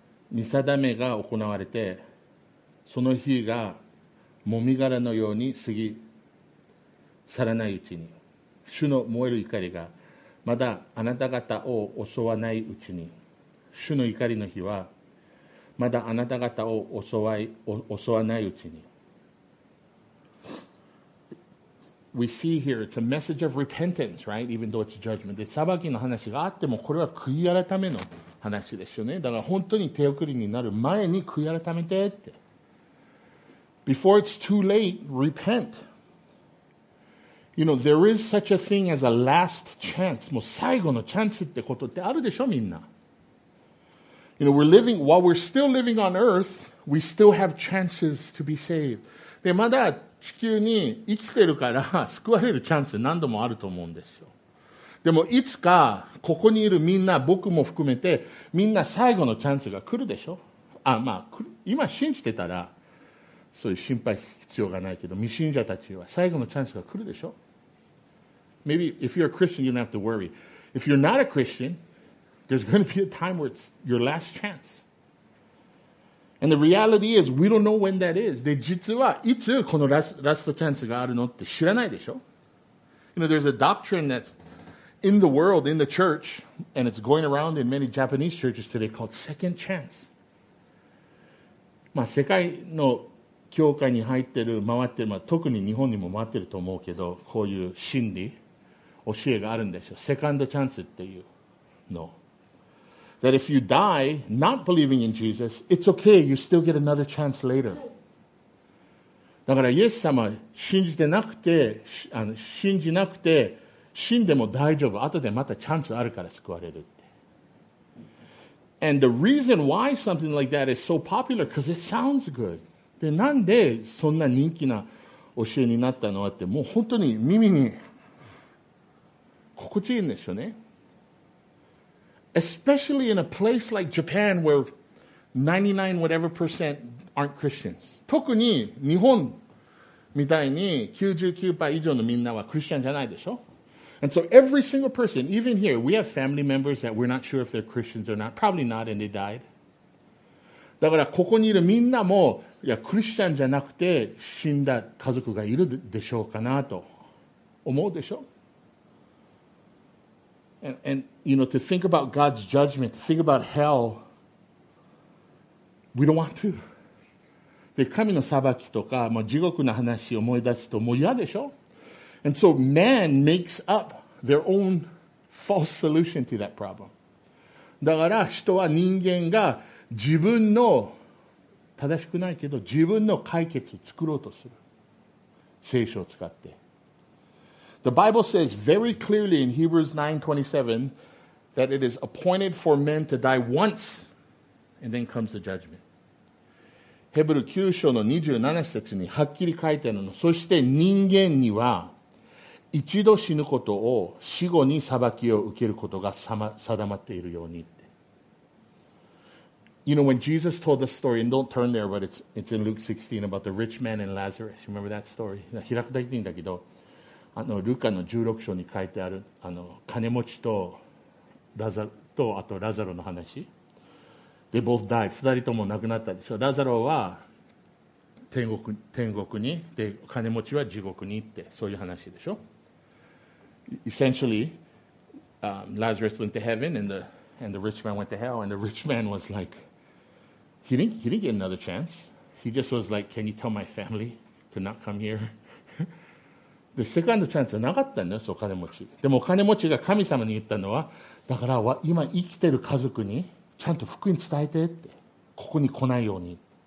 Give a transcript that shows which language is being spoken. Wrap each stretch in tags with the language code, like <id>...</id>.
<ja>見定めが行われて、その日がもみ殻のように過ぎ去らないうちに、主の燃える怒りがまだあなた方を襲わないうちに、主の怒りの日はまだあなた方を襲わないうちに、</ja> <en>We see here, it's a message of repentance, right? Even though it's a judgment.</en> <ja>で、裁きの話があっても、これは悔い改めの話ですよね。だから本当に手遅れになる前に悔い改めてって。</ja> <en>Before it's too late, repent. You know, there is such a thing as a last chance.</en> <ja>もう最後のチャンスってことってあるでしょ、みんな。</ja> <en>You know, we're living, while we're still living on earth, we still have chances to be saved.</en> <ja>で、まだ地球に生きてるから救われるチャンス何度もあると思うんですよ。でもいつかここにいるみんな、僕も含めてみんな最後のチャンスが来るでしょ。あ、まあ今信じてたらそういう心配必要がないけど、未信者たちは最後のチャンスが来るでしょ。</ja> <en>Maybe if you're a Christian you don't have to worry. If you're not a Christian, there's going to be a time where it's your last chance. And the reality is, we don't know when that is.</en> <ja>で、実はいつこのラストチャンスがあるのって知らないでしょ。</ja> <en>You know, there's a doctrine that's in the world, in the church, and it's going around in many Japanese churches today called second chance.</en> <ja>まあ、世界の教会に入ってる、回ってる、まあ、特に日本にも回ってると思うけど、こういう真理、教えがあるんでしょ。セカンドチャンスっていうの。</ja> <en>That if you die not believing in Jesus, it's okay, you still get another chance later.</en> <ja>だからイエス様信じてなくて、信じなくて死んでも大丈夫、後でまたチャンスあるから救われるって。</ja> <en>And the reason why something like that is so popular, because it sounds good.</en> <ja>で、なんでそんな人気な教えになったのって、もう本当に耳に心地いいんでしょうね。</ja> <en>Especially in a place like Japan where 99 whatever percent aren't Christians.</en> <ja>特に日本みたいに 99% 以上のみんなはクリスチャンじゃないでしょ。</ja> <en>And so every single person, even here, we have family members that we're not sure if they're Christians or not. Probably not, and they died.</en> <ja>だからここにいるみんなも、いや、クリスチャンじゃなくて死んだ家族がいるでしょうかなと思うでしょ。</ja> <en>And you know, to think about God's judgment, to think about hell, we don't want to.</en> <ja>で、神の裁きとか、もう地獄の話を思い出すと、もう嫌でしょ。</ja> <en>And so man makes up their own false solution to that problem.</en> <ja>だから人は人間が自分の正しくないけど自分の解決を作ろうとする。聖書を使って。</ja> <en>The Bible says very clearly in Hebrews 9:27 that it is appointed for men to die once and then comes the judgment.</en> <ja>ヘブル9章の27節にはっきり書いてあるの。そして人間には一度死ぬことを死後に裁きを受けることが定まっているようにって。</ja> <en>You know, when Jesus told the story, and don't turn there, but it's in Luke 16 about the rich man and Lazarus. Remember that story?</en> <ja>開くだけでいいんだけど、あのルカの16章に書いてあるあの金持ちとラザとあとラザロの話。</ja> <en>They both died.</en> <ja>二人とも亡くなったでしょ。ラザロは天国にで金持ちは地獄に行ってそういう話でしょ。</ja> <en>Essentially, Lazarus went to heaven and the rich man went to hell and the rich man was like, he didn't get another chance. He just was like, can you tell my family to not come here?</en> <ja>でセカンドチャンスはなかったんだよ、そう金持ち。でも金持ちが神様に言ったのは、だから今生きてる家族にちゃんと福音伝えてって、ここに来ないように。</ja>